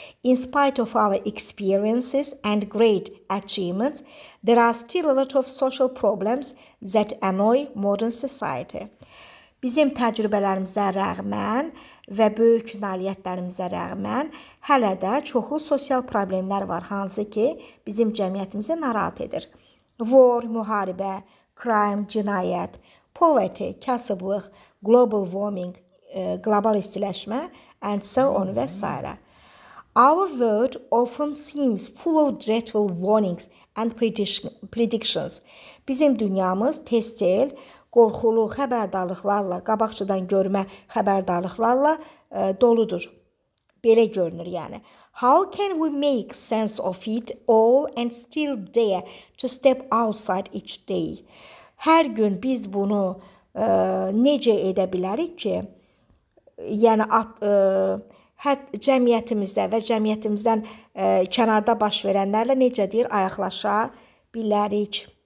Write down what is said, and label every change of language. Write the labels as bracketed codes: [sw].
[en] In spite of our experiences and great achievements, there are still a lot of social problems that annoy modern society. [az] Bizim təcrübələrimizə rəğmən və böyük nailiyyətlərimizə rəğmən hələ də çoxu sosial problemlər var, hansı ki bizim cəmiyyətimizi narahat edir. [en] War, [az] müharibə, [en] crime, [az] cinayət, [en] poverty, [az] kasıblıq, [en] global warming, [az] global istiləşmə [en] and so on [az] və s. [en] Our world often seems full of dreadful warnings and predictions. [az] Bizim dünyamız tez-tez qorxulu xəbərdarlıqlarla, qabaqçıdan görmə xəbərdarlıqlarla doludur. Belə görünür yəni. [en] How can we make sense of it all and still dare to step outside each day? [az] Hər gün biz bunu necə edə bilərik ki, yəni cəmiyyətimizdə və cəmiyyətimizdən kənarda baş verənlərlə necə deyir, ayaqlaşa bilərik?